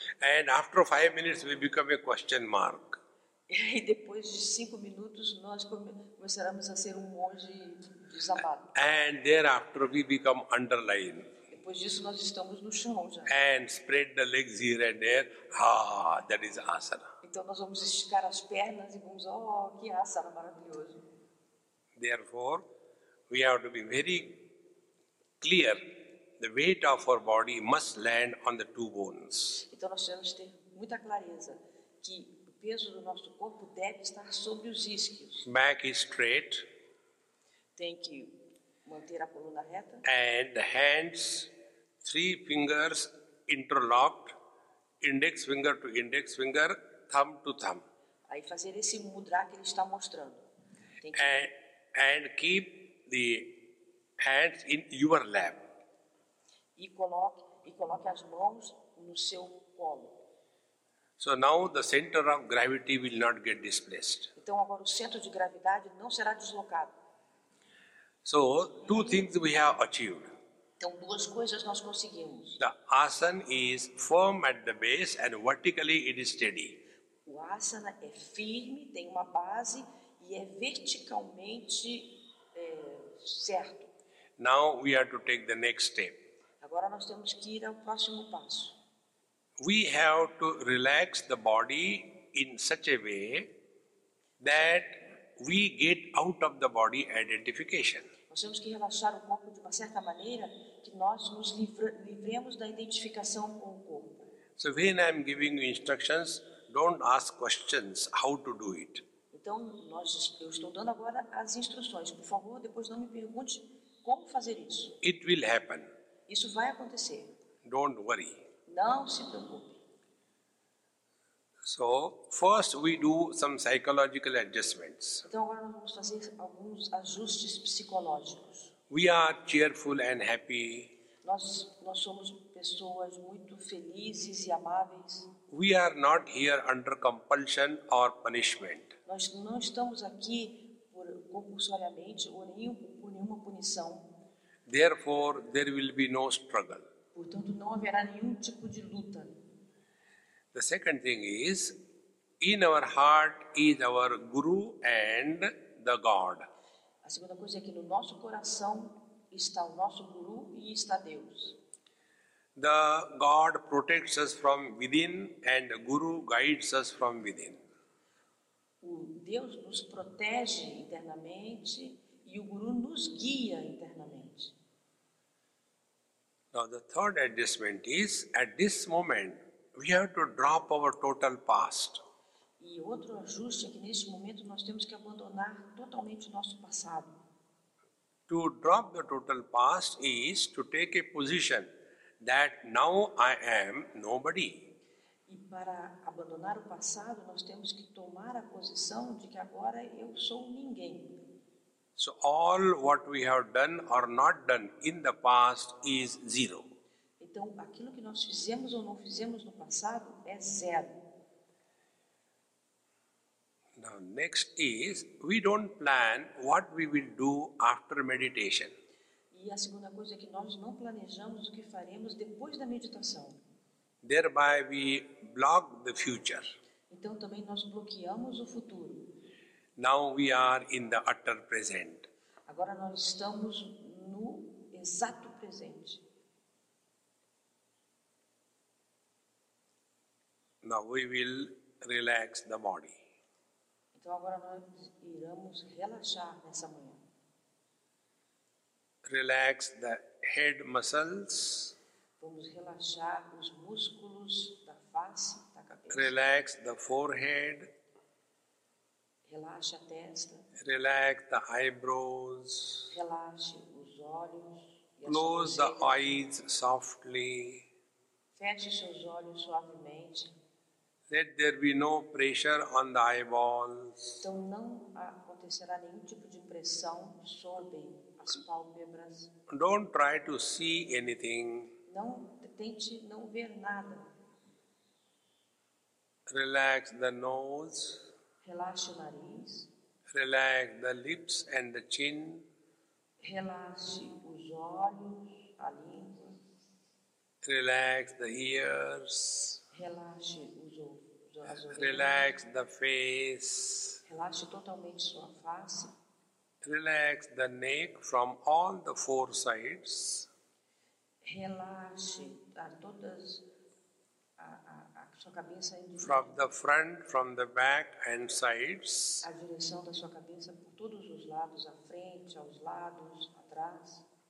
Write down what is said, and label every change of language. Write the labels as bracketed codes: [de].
[en] And after 5 minutes we become a question mark. [pt] E depois de 5 minutos nós começaremos a ser um monge desabado. [en] And thereafter we become underlying. [pt] Depois disso nós estamos no chão já. [en] And spread the legs here and there. Ah, that is asana. [pt] Então nós vamos esticar as pernas e vamos, oh, que asana maravilhoso. [en] Therefore, we have to be very clear. The weight of our body must land on the two bones. [pt] Então nós temos que ter muita clareza que peso do nosso corpo deve estar sobre os isquios. [en] Back is straight. [pt] Tem que manter a coluna reta. [en] And the hands, three fingers interlocked, index finger to index finger, thumb to thumb. [pt] Aí fazer esse mudra que ele está mostrando. Tem que... [en] and keep the hands in your lap. [pt] E coloque as mãos no seu colo. [en] So now the center of gravity will not get displaced. [pt] Então agora o centro de gravidade não será deslocado. [en] So two things we have achieved. [pt] Então duas coisas nós conseguimos. [en] The asana is firm at the base and vertically it is steady. [pt] O asana é firme, tem uma base e é verticalmente certo. [en] Now we have to take the next step. [pt] Agora nós temos que ir ao próximo passo. [en] We have to relax the body in such a way that we get out of the body identification. [pt] Nós temos que relaxar o corpo de uma certa maneira que nós nos livremos da identificação com o corpo. [en] So when I'm giving you instructions, don't ask questions how to do it. [pt] Então, eu estou dando agora as instruções. Por favor, depois não me pergunte como fazer isso. [en] It will happen. [pt] Isso vai acontecer. [en] Don't worry. [pt] Não se preocupe. [en] So, first we do some psychological adjustments. [pt] Então, agora nós vamos fazer alguns ajustes psicológicos. [en] We are cheerful and happy. [pt] Nós somos pessoas muito felizes e amáveis. [en] We are not here under compulsion or punishment. [pt] Nós não estamos aqui compulsoriamente ou por nenhuma punição. [en] Therefore, there will be no struggle. [pt] Portanto, não haverá nenhum tipo de luta. [en] The second thing is, in our heart is our guru and the God. [pt] A segunda coisa é que no nosso coração está o nosso guru e está Deus. [en] The God protects us from within and the guru guides us from within. [pt] O Deus nos protege internamente e o guru nos guia internamente. [en] Now the third adjustment is, at this moment, we have to drop our total past. [pt] E outro ajuste é que neste momento nós temos que abandonar totalmente o nosso passado. [en] To drop the total past is to take a position that now I am nobody. [pt] E para abandonar o passado, nós temos que tomar a posição de que agora eu sou ninguém. [en] So all what we have done or not done in the past is zero. [pt] Então, aquilo que nós fizemos ou não fizemos no passado é zero. [en] Now, next is, we don't plan what we will do after meditation. [pt] E a segunda coisa é que nós não planejamos o que faremos depois da meditação. [en] Thereby, we block the future. [pt] Então, também nós bloqueamos o futuro. [en] Now we are in the utter present. [pt] Agora nós estamos no exato presente. [en] Now we will relax the body. [pt] Então agora nós iremos relaxar nessa manhã. [en] Relax the head muscles. [pt] Vamos relaxar os músculos da face, da cabeça. [en] Relax the forehead. [pt] Relaxe a testa. [en] Relax the eyebrows. [pt] Relaxe os olhos. [en] Close the eyes softly. [pt] Feche seus olhos suavemente. [en] Let there be no pressure on the eyeballs. [pt] Então não acontecerá nenhum tipo de pressão sobre as pálpebras. [en] Don't try to see anything. [pt] Não tente não ver nada. [en] Relax the nose. [pt] Relaxe o nariz. [en] Relax the lips and the chin. [pt] Relaxe os olhos, a língua. [en] Relax the ears. [pt] Relaxe os olhos. [en] Relax the face. [pt] Relaxe totalmente sua face. [en] Relax the neck from all the four sides. [pt] Relaxe a todas sua cabeça indivíduo. [en] From the front, from the back and sides. [pt] A direção da sua cabeça por todos os lados, à frente, aos lados, atrás.